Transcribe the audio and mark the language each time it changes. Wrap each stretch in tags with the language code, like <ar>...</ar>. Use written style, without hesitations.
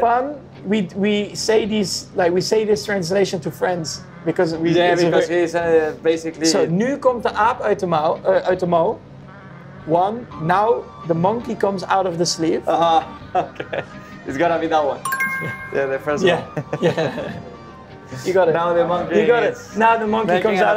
<en>fun, we say these like we say this translation to friends because we. Yeah, because he's basically.</en> <nl>So nu komt de aap uit de mouw.</nl> <en>One. Now the monkey comes out of the sleeve. Okay. It's gonna be that one. Yeah, the first yeah. one. Yeah. You got it. Now the monkey. You got it. Now the monkey comes out</en>